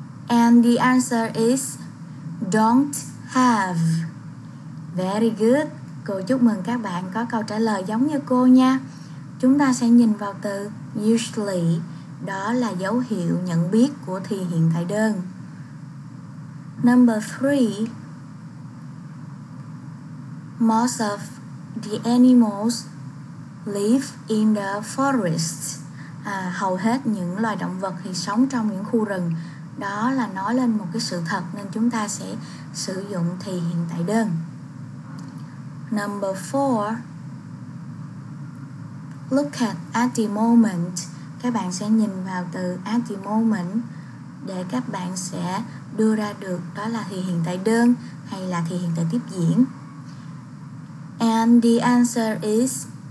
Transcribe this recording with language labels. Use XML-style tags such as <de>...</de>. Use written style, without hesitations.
<en>And the answer is don't have. Very good.</en> <vi>Cô chúc mừng các bạn có câu trả lời giống như cô nha. Chúng ta sẽ nhìn vào từ usually. Đó là dấu hiệu nhận biết của thì hiện tại đơn.</vi> <en>Number 3. Most of the animals live in the forest.</en> <vi>Hầu hết những loài động vật thì sống trong những khu rừng. Đó là nói lên một cái sự thật nên chúng ta sẽ sử dụng thì hiện tại đơn.</vi> <en>Number 4. Look at the moment.</en> <vi>Các bạn sẽ nhìn vào từ at the moment để các bạn sẽ đưa ra được đó là thì hiện tại đơn hay là thì hiện tại tiếp diễn.</vi> <en>And the answer is</en>